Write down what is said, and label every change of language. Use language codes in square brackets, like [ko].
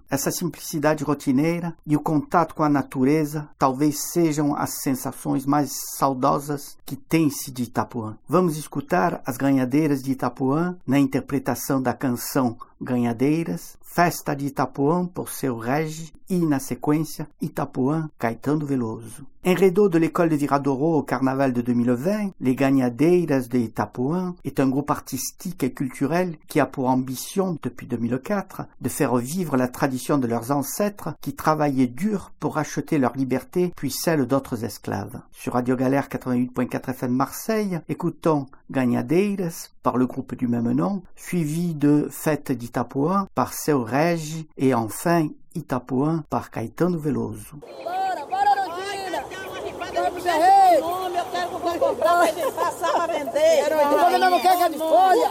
[pt] Essa simplicidade rotineira e o contato com a natureza talvez sejam as sensações mais saudosas que tem-se de Itapuã. Vamos escutar as ganhadeiras de Itapuã na interpretação da canção Ganhadeiras, Festa de Itapuã por Seu Rege e, na sequência, Itapuã, Caetano Veloso. Em redô de [fr] l'École de Viradouro ao Carnaval de 2020, Les Ganhadeiras de Itapuã est un groupe artistique et culturel qui a pour ambition, depuis 2004, de faire vivre la tradition de leurs ancêtres qui travaillaient dur pour acheter leur liberté puis celle d'autres esclaves. Sur Radio Galère 88.4 FM Marseille, écoutons Ganhadeiras par le groupe du même nom, suivi de Fête d'Itapuã par Seu Rege et enfin Itapuã par Caetano Veloso. [pt] Bora, bora, Rondina! Vamos, guerreiro! Eu quero comprar, passar, vender! Eu tô vendendo queijo de folha!